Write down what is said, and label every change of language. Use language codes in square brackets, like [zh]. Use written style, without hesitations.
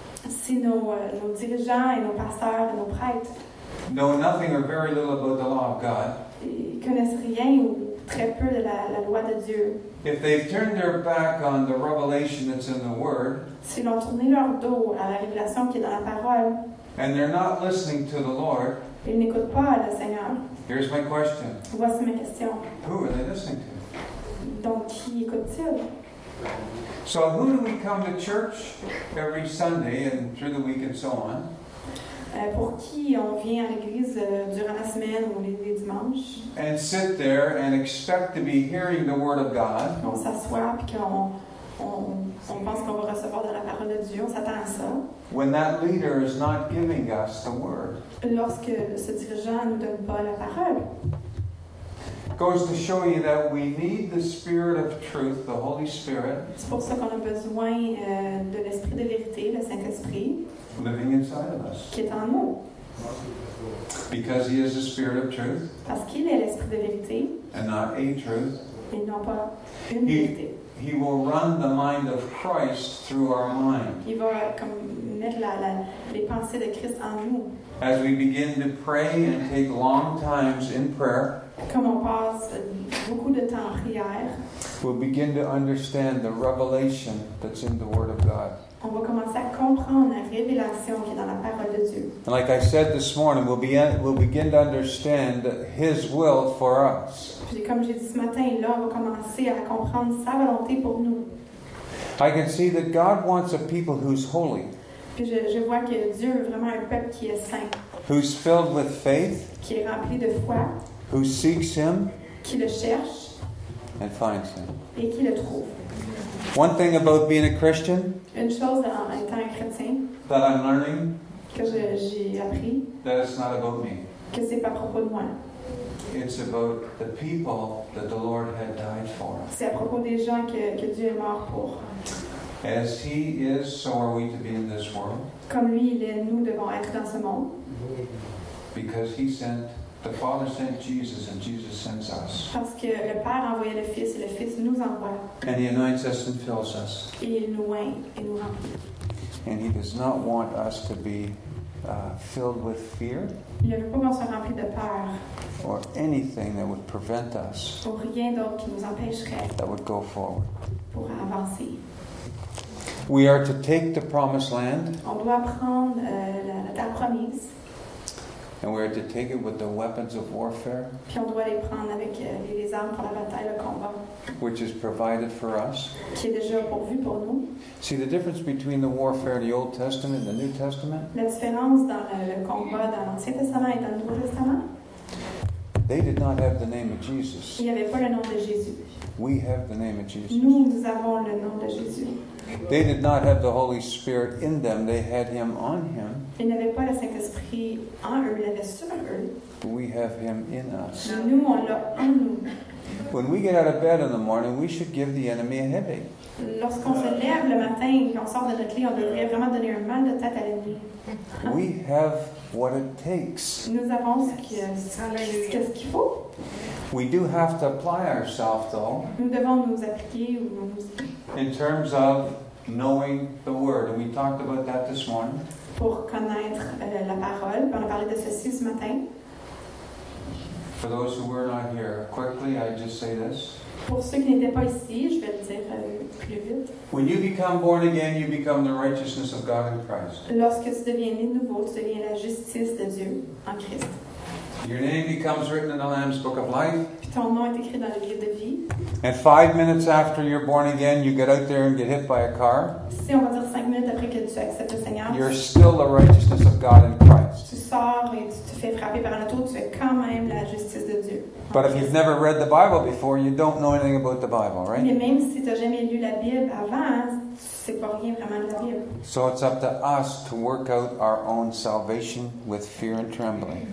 [fr] si nos dirigeants et nos pasteurs et nos prêtres [en] know nothing or very little about the law of God, [fr] ils connaissent rien ou très peu de la loi de Dieu, [en] if they've turned their back on the revelation that's in the Word, [fr] s'ils ont tourné leur dos à la révélation qui est dans la parole, [en] and they're not listening to the Lord, [fr] ils n'écoutent pas le Seigneur, [en] here's my question. [fr] Voici ma question. [en] Who are they listening to? [fr] Donc, qui écoutent-ils? [en] So who do we come to church every Sunday and through the week and so on? [fr] Pour qui on vient à l'église durant la semaine ou les dimanches? [en] And sit there and expect to be hearing the word of God. [fr] On s'assoit puis qu'on pense qu'on va recevoir de la parole de Dieu, on s'attend à ça. [en] When that leader is not giving us the word. [fr] Lorsque ce dirigeant ne nous donne pas la parole. [en] Goes to show you that we need the Spirit of Truth, the Holy Spirit. [fr] C'est pour ça qu'on a besoin de l'Esprit de vérité, le Saint-Esprit. [en] Living inside of us. [fr] Qui est en nous. [en] Because He is the Spirit of Truth. [fr] Parce qu'il est l'Esprit de vérité. [en] And not a truth. [fr] Et non pas une vérité. [en] He will run the mind of Christ through our mind. [fr] Il va comme mettre les pensées de Christ en nous. [en] As we begin to pray and take long times in prayer. [fr] Comme on passe beaucoup de temps en prière, [en] we'll begin to understand the revelation that's in the Word of God. [fr] On va commencer à comprendre la révélation qui est dans la parole de Dieu. [en] And like I said this morning, we'll begin to understand His will for us. [fr] Puis comme j'ai dit ce matin, là, on va commencer à comprendre sa volonté pour nous. [en] I can see that God wants a people who's holy. [fr] Puis je vois que Dieu est vraiment un peuple qui est saint. [en] Who's filled with faith. [fr] Qui est rempli de foi. [en] Who seeks Him. [fr] Qui le cherche. [en] And finds Him. [fr] Et qui le trouve. [en] One thing about being a Christian. [fr] Une chose en étant un chrétien. [en] That I'm learning. [fr] Que j'ai appris. [en] That it's not about me. [fr] Que c'est pas à propos de moi. [en] It's about the people that the Lord had died for. [fr] C'est à propos des gens que Dieu est mort pour. [en] As He is, so are we to be in this world. [fr] Comme lui il est, nous devons être dans ce monde. [en] Because He sent, the Father sent Jesus, and Jesus sends us. [fr] Parce que le Père a envoyé le Fils, et le Fils nous envoie. [en] And He anoints us and fills us. [fr] Et il nous oint et nous remplit. [en] And He does not want us to be filled with fear. [fr] Il ne veut pas qu'on soit rempli de peur. [en] Or anything that would prevent us. [fr] Pour rien d'autre qui nous empêcherait. [en] That would go forward. [fr] Pour avancer. [en] We are to take the promised land. [fr] On doit prendre la terre promise. [en] And we are to take it with the weapons of warfare. [fr] Puis on doit les prendre avec les armes pour la bataille, le combat. [en] Which is provided for us. [fr] Qui est déjà pourvu pour nous. [en] See the difference between the warfare of the Old Testament and the New Testament? [fr] La différence dans le combat dans l'Ancien Testament et dans le Nouveau Testament? [en] They did not have the name of Jesus. [fr] Il n'y avait pas le nom de Jésus. [en] We have the name of Jesus. [fr] Nous avons le nom de Jésus. [en] They did not have the Holy Spirit in them. They had Him on Him. [fr] Ils n'avaient pas le Saint-Esprit en eux. Ils l'avaient sur eux. [en] We have Him in us. [fr] Nous, on l'a en nous. [en] When we get out of bed in the morning, we should give the enemy a headache. [fr] Lorsqu'on se lève le matin et qu'on sort de notre lit, on devrait vraiment donner un mal de tête à l'ennemi. [en] We have what it takes. [fr] Nous avons ce qu'il faut. [en] We do have to apply ourselves, though. [fr] Nous devons nous appliquer ou nous. [en] In terms of knowing the word, and we talked about that this morning. [fr] Pour connaître la parole, on a parlé de ceci ce matin. [en] For those who were not here, quickly, I just say this. [fr] Pour ceux qui n'étaient pas ici, je vais le dire plus vite. [en] When you become born again, you become the righteousness of God in Christ. [fr] Lorsque tu deviens né nouveau, tu deviens la justice de Dieu en Christ. [en] Your name becomes written in the Lamb's Book of Life. [fr] Puis ton nom est écrit dans le livre de vie. [en] And 5 minutes after you're born again, you get out there and get hit by a car. [fr] Si on va dire 5 minutes après que tu acceptes le Seigneur, [en] you're still the righteousness of God in Christ. [fr] Tu sors et tu te fais frapper par un auto, tu es quand même la justice de Dieu. [en] But if you've never read the Bible before, you don't know anything about the Bible, right? [fr] Mais même si tu n'as jamais lu la Bible avant, c'est pas rien vraiment de la Bible. [en] So it's up to us to work out our own salvation with fear and trembling.